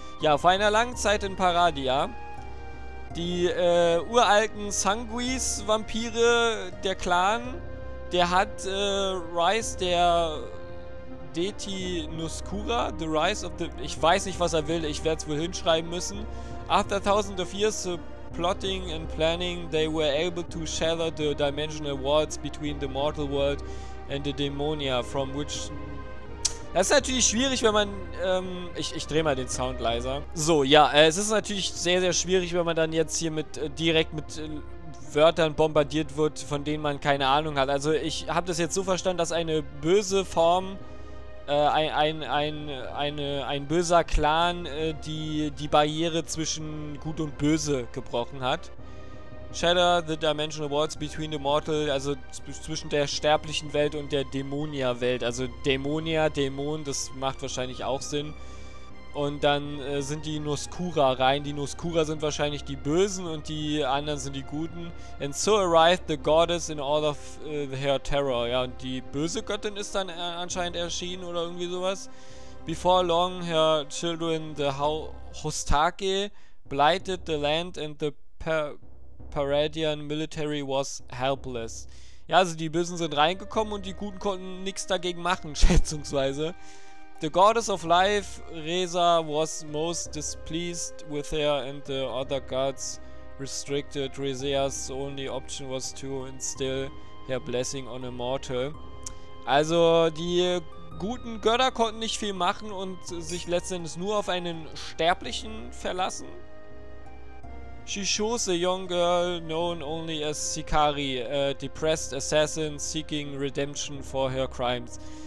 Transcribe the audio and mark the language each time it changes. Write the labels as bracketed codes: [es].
[de] Ja, vor einer langen Zeit in Paradia. Die uralten Sanguis-Vampire, der Clan, der hat Rise der Deti Nuscura, [en] The Rise of the... [de] Ich weiß nicht, was er will, ich werde es wohl hinschreiben müssen. [en] After thousands of years, plotting and planning, they were able to shatter the dimensional walls between the mortal world and the demonia from which [de] Das ist natürlich schwierig, wenn man... Ich drehe mal den Sound leiser. So, ja, es ist natürlich sehr, sehr schwierig, wenn man dann jetzt hier mit direkt mit Wörtern bombardiert wird, von denen man keine Ahnung hat. Also ich habe das jetzt so verstanden, dass eine böse Form, ein böser Clan, die Barriere zwischen Gut und Böse gebrochen hat. [en] Shatter the Dimensional Walls Between the Mortal, [de] also zwischen der sterblichen Welt und der Dämonia-Welt. Also Dämonia, Dämon, das macht wahrscheinlich auch Sinn. Und dann sind die Noskura rein. Die Noskura sind wahrscheinlich die Bösen und die anderen sind die Guten. [en] And so arrived the goddess in all of her terror. [de] Ja, und die böse Göttin ist dann anscheinend erschienen oder irgendwie sowas. [en] Before long her children, the Hostake, blighted the land and the Paradian military was helpless. [de] Ja, also die Bösen sind reingekommen und die Guten konnten nichts dagegen machen, schätzungsweise. [en] The goddess of life, Reza, was most displeased with her and the other gods restricted. Reza's only option was to instill her blessing on a mortal. [de] Also, die guten Götter konnten nicht viel machen und sich letztendlich nur auf einen Sterblichen verlassen. [en] She chose a young girl known only as Sikari, a depressed assassin seeking redemption for her crimes.